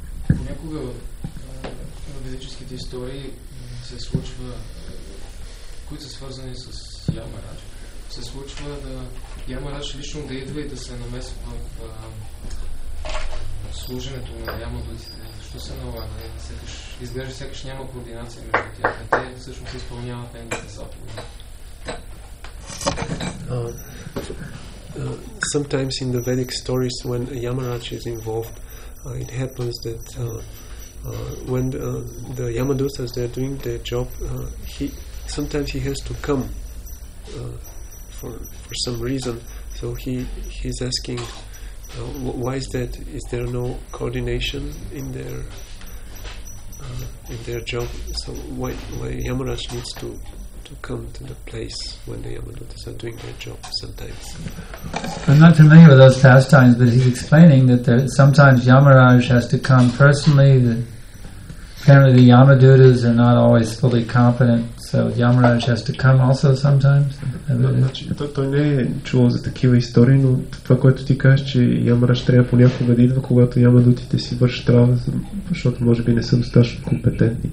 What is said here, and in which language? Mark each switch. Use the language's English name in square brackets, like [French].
[Bulgarian] Някога в ведическите истории се случва, които са свързани с Ямарадж, се случва да Ямарадж лично да идва и да се намесва в служенето на Ямадутите. Защо се налага? Изглежда сякаш няма координация между тях. Те всъщност изпълняват нейните заповеди. [English] sometimes in the Vedic stories when Yamaraj is involved, it happens that when the Yamadutas they're doing their job, sometimes he has to come for some reason. So he's asking, why is that? Is there no coordination in their job? So why Yamaraj needs to come to the place when the Yamadutas are doing their job sometimes? I'm not familiar with those pastimes, but he's explaining that sometimes Yamaraj has to come personally. Apparently the Yamadutas are not always fully competent, so Yamaraj has to come also sometimes. [Bulgarian] Той не е чувал за такива истории, но това, което ти кажеш, че Ямарадж трябва понякога да идва, когато Ямадутите си вършат работа, защото може би не са достатъчно компетентни.